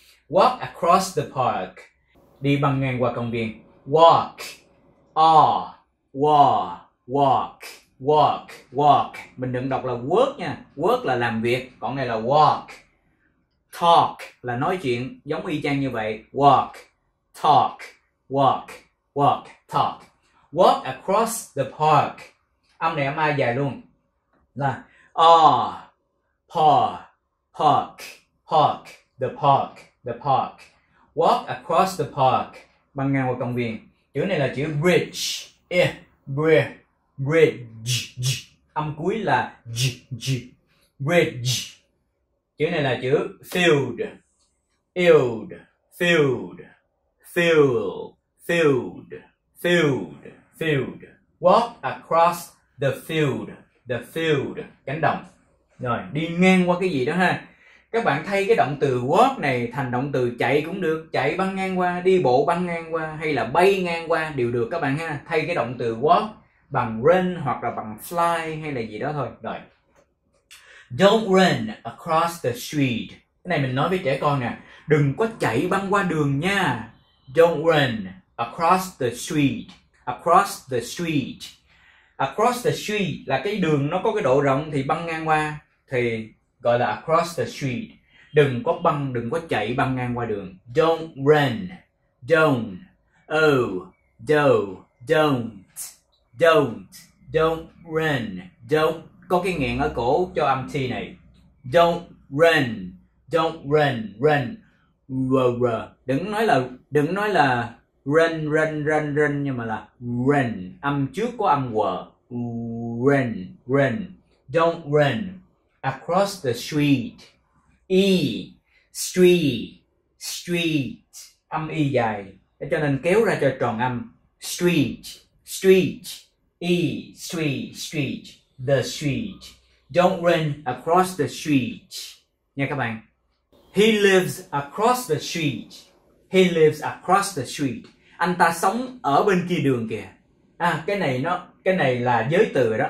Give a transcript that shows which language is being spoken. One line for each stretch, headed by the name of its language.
English: Walk across the park,
Vietnamese: đi băng ngang qua công viên.
English: Walk, walk, walk, walk.
Vietnamese: Mình đừng đọc là work nha, work là làm việc, còn này là walk. Talk là nói chuyện, giống y chang như vậy.
English: Walk, talk, walk, walk, talk. Walk across the park.
Vietnamese: Âm này âm a dài luôn.
English: Là a, park, park, park, the park. Walk across the park,
Vietnamese: băng ngang qua công viên. Chữ này là chữ bridge. Bridge, bridge. Âm cuối là j, bridge. Chữ này là chữ field, yield, field, fill, field, field, field.
English: Walk across the field,
Vietnamese: cánh đồng. Rồi, đi ngang qua cái gì đó ha. Các bạn thay cái động từ walk này thành động từ chạy cũng được. Chạy băng ngang qua, đi bộ băng ngang qua, hay là bay ngang qua đều được các bạn ha. Thay cái động từ walk bằng run hoặc là bằng fly hay là gì đó thôi.
English: Rồi, don't run across the street.
Vietnamese: Cái này mình nói với trẻ con nè, đừng có chạy băng qua đường nha.
English: Don't run across the street. Across the street.
Vietnamese: Across the street là cái đường nó có cái độ rộng thì băng ngang qua, thì gọi là
English: across the street.
Vietnamese: Đừng có băng, đừng có chạy băng ngang qua đường.
English: Don't run. Don't. Oh, don't. Don't. Don't. Don't run. Don't.
Vietnamese: Có cái nghẹn ở cổ cho âm T này.
English: Don't run, don't run,
Vietnamese: run, r, r. Đừng nói là run, run, run, run, nhưng mà là run. Âm trước có âm w, run, run.
English: Don't run across the street. E, street, street.
Vietnamese: Âm y dài, cho nên kéo ra cho tròn âm. Street, street.
English: E, street, street. The street. Don't run across the street.
Vietnamese: Nha các bạn.
English: He lives across the street. He lives across the street.
Vietnamese: Anh ta sống ở bên kia đường kìa. À, cái này là giới từ rồi đó.